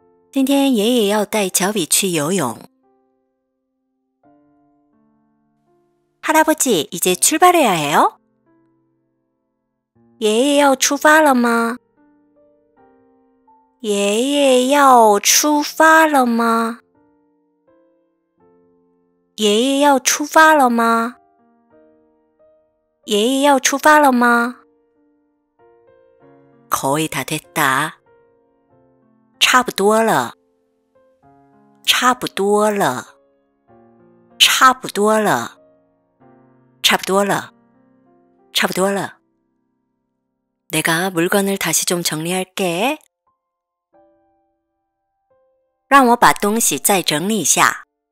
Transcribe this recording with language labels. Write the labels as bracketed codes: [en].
[zh] 今天爷爷要带乔比去游泳。今天爷爷要带乔比去游泳。今天爷爷要带乔比去游泳。 [ko] 할아버지, 이제 출발해야 해요? [zh] 爷爷要出发了吗? 爷爷要出发了吗? 爷爷要出发了吗?爷爷要出发了吗? [ko] 거의 다 됐다. [zh] 差不多了。差不多了。差不多了。差不多了。 [ko] 내가 물건을 다시 좀 정리할게. [zh] 让我把东西再整理一下。